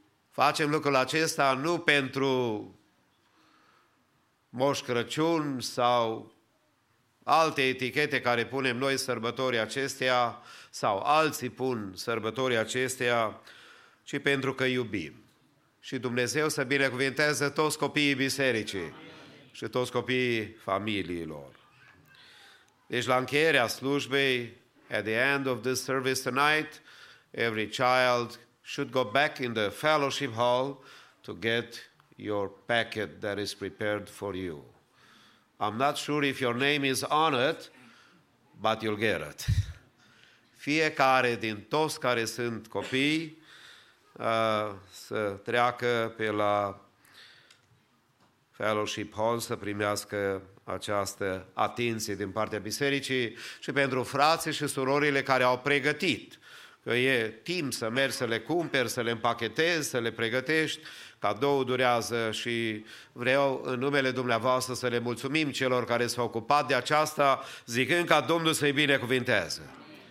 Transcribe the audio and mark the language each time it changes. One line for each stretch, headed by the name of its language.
Romanian: Facem lucrul acesta nu pentru Moș Crăciun sau alte etichete care punem noi sărbătorii acestea sau alții pun sărbătorii acestea, ci pentru că iubim. Și Dumnezeu să binecuvinteze toți copiii bisericii și toți copiii familiilor. Deci la încheierea slujbei,
English: at the end of this service tonight, every child should go back in the fellowship hall to get your packet that is prepared for you. I'm not sure if your name is on it, but you'll get it.
Romanian: Fiecare din toți care sunt copii să treacă pe la fellowship hall să primească această atenție din partea bisericii și pentru frații și surorile care au pregătit, că e timp să mergi să le cumperi, să le împachetezi, să le pregătești, cadou durează și vreau în numele dumneavoastră să le mulțumim celor care s-au ocupat de aceasta, zicând ca Domnul să-i binecuvinteze.